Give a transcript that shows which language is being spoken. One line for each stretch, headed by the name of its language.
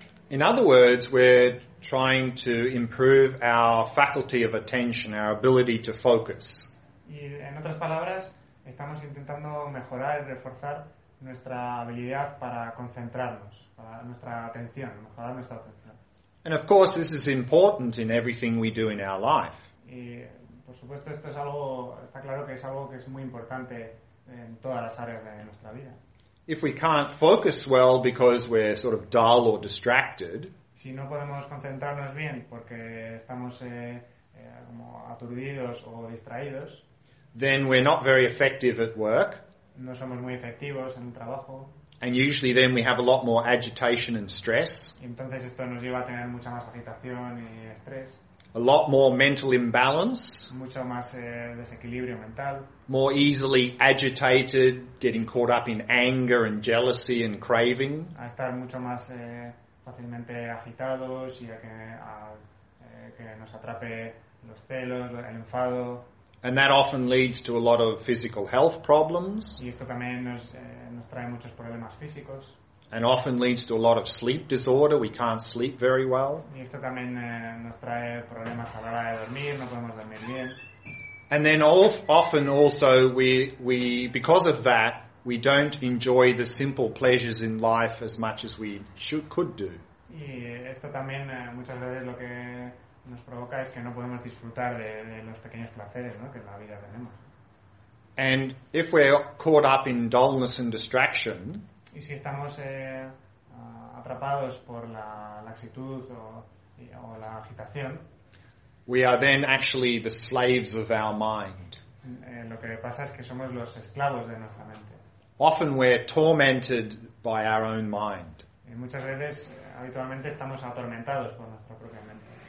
English: In other words, we're trying to improve our faculty of attention, our ability to focus.
Spanish: Y en otras palabras, estamos intentando mejorar y reforzar nuestra habilidad para concentrarnos, para nuestra atención, mejorar nuestra atención.
English: And of course, this is important in everything we do in our life.
Spanish: Y por supuesto, esto es algo, está claro que es algo que es muy importante en todas las áreas de nuestra vida.
English: If we can't focus well because we're sort of dull or distracted,
Spanish: si no podemos concentrarnos bien porque estamos como aturdidos o distraídos,
English: then we're not very effective at work.
Spanish: No somos muy efectivos en el trabajo.
English: And usually then we have a lot more agitation and stress.
Spanish: Entonces esto nos lleva a tener mucha más agitación y estrés.
English: A lot more mental imbalance.
Spanish: Mucho más desequilibrio mental.
English: More easily agitated, getting caught up in anger and jealousy and craving.
Spanish: A estar mucho más fácilmente agitados y a que nos atrape los celos, el enfado.
English: And that often leads to a lot of physical health problems.
Spanish: Y esto también nos trae muchos problemas físicos.
English: And often leads to a lot of sleep disorder. We can't sleep very well.
Spanish: Y esto también nos trae problemas a la hora de dormir. No podemos dormir bien.
English: And then often also we because of that we don't enjoy the simple pleasures in life as much as we could do.
Spanish: Y esto también muchas veces lo que nos provoca es que no podemos disfrutar de los pequeños placeres, ¿no? Que en la vida tenemos.
English: And if we're caught up in dullness and distraction.
Spanish: Y si estamos atrapados por la laxitud o la agitación,
English: we are then actually the slaves of our mind.
Spanish: Lo que pasa es que somos los esclavos de nuestra mente.
English: Often we're tormented by our own mind.
Spanish: Y muchas veces, habitualmente, estamos atormentados por nuestra propia mente.